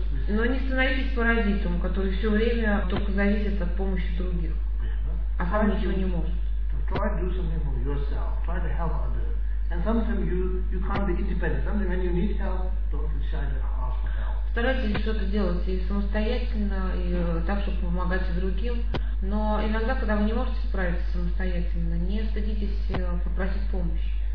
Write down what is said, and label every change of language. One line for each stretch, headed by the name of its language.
Russian: Но не становитесь паразитом, который все время только зависит от помощи других. А сам ничего не может.
English: Try to do something for yourself. Try to help others. And sometimes you can't be independent. Sometimes when you need help, don't decide to ask for help.
Russian: старайтесь что-то делать и самостоятельно, и так, чтобы помогать другим. Но иногда, когда вы не можете справиться самостоятельно, не стыдитесь попросить помощи.